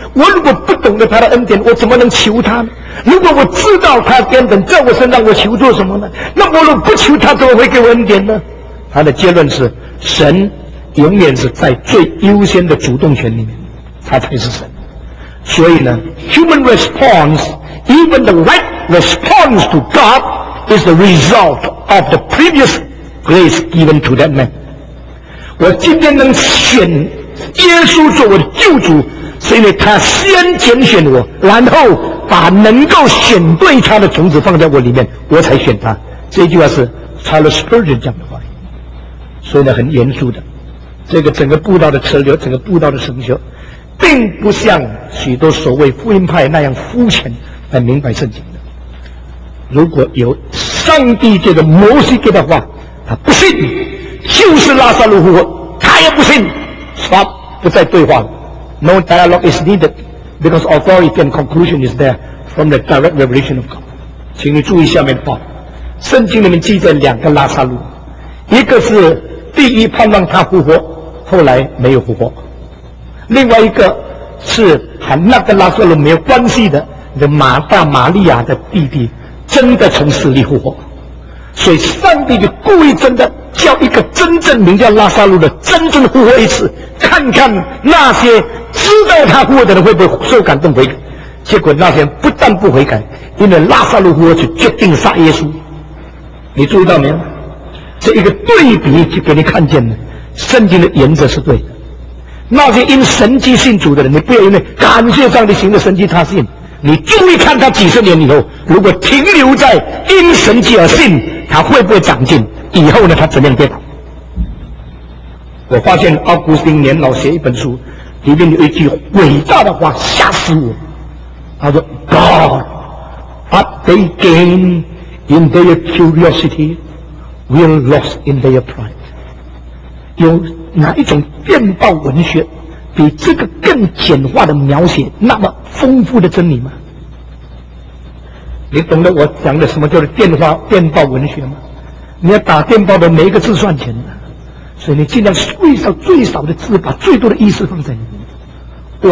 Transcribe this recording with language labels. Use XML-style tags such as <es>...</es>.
<zh>我如果不懂得他的恩典，我怎么能求他呢？如果我知道他根本在我身上，我求做什么呢？那我如果不求他，怎么会给我恩典呢？他的结论是，神永远是在最优先的主动权里面，他才是神。所以呢</zh> <en>human response even the right response to God is the result of the previous grace given to that man。</en> <zh>我今天能选耶稣做我的救主，是因为他先拣选我，然后把能够选对他的种子放在我里面，我才选他。这句话是 Charles Spurgeon 讲的话，所以呢很严肃的。这个整个布道的策略，整个布道的神学，并不像许多所谓福音派那样肤浅来明白圣经的。如果有上帝界的摩西给的话，他不信，就是拉撒路复活他也不信。他不再对话了。</zh> <en>No dialogue is needed because authority and conclusion is there from the direct revelation of God。</en> <zh>请你注意下面的话，圣经里面记载两个拉撒路，一个是第一盼望他复活，后来没有复活，另外一个是和那个拉撒路没有关系的，马大玛利亚的弟弟真的从死里复活。所以上帝就故意真的叫一个真正名叫拉撒路的真正复活一次，看看那些知道他复活的人会不会受感动悔改。结果那些人不但不悔改，因为拉撒路复活就决定杀耶稣。你注意到没有？这一个对比就给你看见了，圣经的原则是对的。那些因神迹信主的人，你不要因为感谢上帝行的神迹他信，你注意看他几十年以后，如果停留在因神迹而信，他会不会长进？以后呢，他怎么样变？我发现奥古斯丁年老写一本书，里面有一句伟大的话吓死我。他说</zh> <en>：“God, what they gain in their curiosity, will lose in their pride。”</en> <zh>有哪一种电报文学比这个更简化的描写那么丰富的真理吗？你懂得我讲的什么叫做电话电报文学吗？你要打电报的每一个字算钱的，所以你尽量最少最少的字，把最多的意思放在里面。</zh>